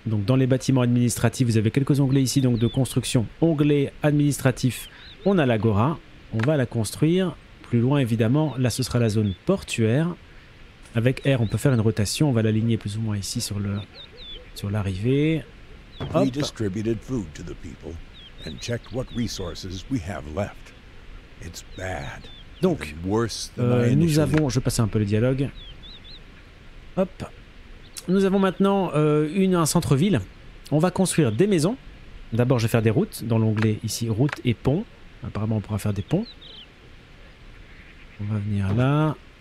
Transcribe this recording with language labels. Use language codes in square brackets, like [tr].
[fr] Donc, dans les bâtiments administratifs, vous avez quelques onglets ici, donc de construction. Onglet administratif, on a l'Agora. On va la construire. Plus loin, évidemment, là, ce sera la zone portuaire. Avec R, on peut faire une rotation. On va l'aligner plus ou moins ici sur le sur l'arrivée. Hop. [en] We distributed food to the people and checked what resources we have left. It's bad. [fr] Donc, nous avons, je vais passer un peu le dialogue. Hop, nous avons maintenant un centre-ville. On va construire des maisons. D'abord, je vais faire des routes dans l'onglet ici, routes et ponts. Apparemment, on pourra faire des ponts. On va venir là.